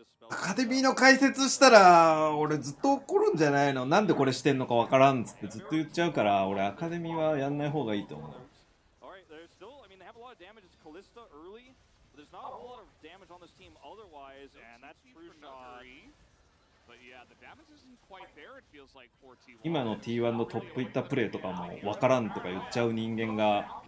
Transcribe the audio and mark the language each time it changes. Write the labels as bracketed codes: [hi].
[ja] アカデミーの解説したら俺ずっと怒るんじゃないの。なんでこれしてんのかわからんっつってずっと言っちゃうから俺アカデミーはやんない方がいいと思う。 [en] I mean, they have a lot of damage. It's Callista early, but there's not a whole lot of damage on this team otherwise, and that's true for me. But yeah, the damage isn't quite there. It feels like 4T1. [ja] 今の T1 のトップいったプレーとかもわからんとか言っちゃう人間が。